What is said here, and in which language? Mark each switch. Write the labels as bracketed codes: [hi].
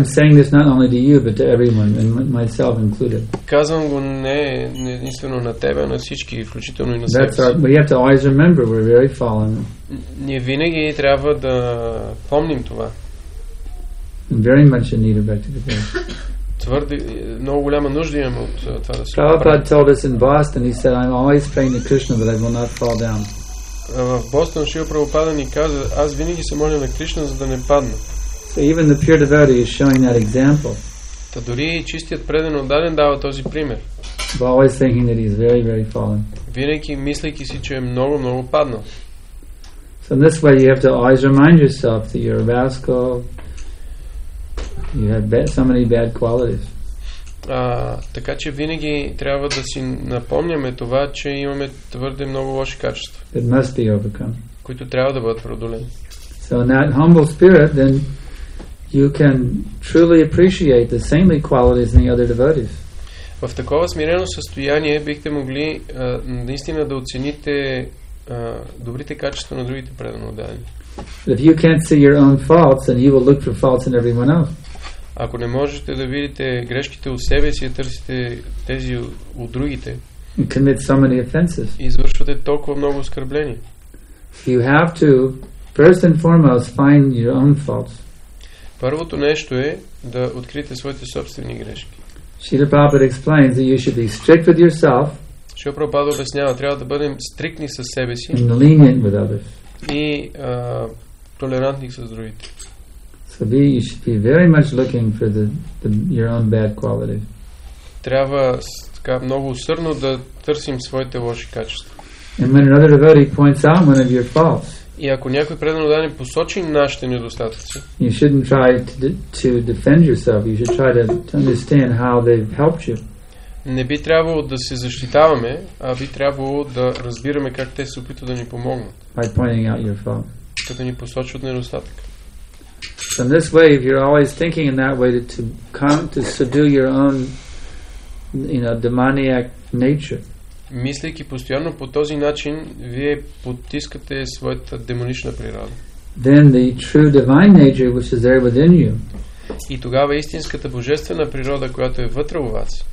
[en] I'm saying this not only to you but to everyone and myself included. [bg] Казвам го не единствено на тебе, на всички, включително и на себе. [en] We have to always remember we're very fallen. [bg] Ние винаги трябва да помним това. [en] I'm very much in need of rectification. [bg] Твърди много голяма нужда имам от това да се поправя. [en] Prabhupada told us in Boston, he said, I'm always praying to Krishna that I will not fall down. [bg] В Бостон Шрила Прабхупада ни каза, аз винаги се моля на Кришна, за да не падна. [en] So even the pure devotee is showing that example. [bg] Та дори и чистият преден отдаден дава този пример. [en] But always thinking that he is very, very fallen. [bg] Винаги мислейки си, че е много, много паднал. [en] So in this way you have to always remind yourself that you're a rascal, you have so many bad qualities. [bg] Така че винаги трябва да си напомняме това, че имаме твърде много лоши качества. [en] It must be overcome. [bg] Които трябва да бъдат преодолени. [en] So in that humble spirit, then you can truly appreciate the saintly qualities in the other devotees. [bg] В такова смирено състояние бихте могли наистина да оцените добрите качества на другите предано отдадени. [en] If you can't see your own faults, then you will look for faults in everyone else. [bg] Ако не можете да видите грешките у себе си и търсите тези у другите, [en] you commit so many offenses. [bg] Извършвате толкова много оскърбления. [en] You have to first and foremost find your own faults. [bg] Първото нещо е да открите своите собствени грешки. [en] Srila Prabhupada explains that you should be strict with yourself. [bg] Srila Prabhupada обяснява, трябва да бъдем стриктни с себе си [en] and lenient with others. [bg] И толерантни с другите. [en] So you should be very much looking for the your own bad qualities. [bg] Трябва така много усърдно да търсим своите лоши качества. [en] And when another devotee points out one of your faults. [bg] И ако някой предано да ни посочи нашите недостатъци. [en] You shouldn't try to defend yourself. You should try to understand how they've helped you. [bg] Не би трябвало да се защитаваме, а би трябвало да разбираме как те се опитват да ни помогнат. [en] By pointing out your fault. [bg] Като ни посочват недостатък. [en] So in this way, if you're always thinking in that way to come to subdue your own, demoniac nature. [bg] Мислейки постоянно по този начин, вие потискате своята демонична природа. [en] Then the true divine nature which is there within you. [bg] И тогава истинската божествена природа, която е вътре у вас.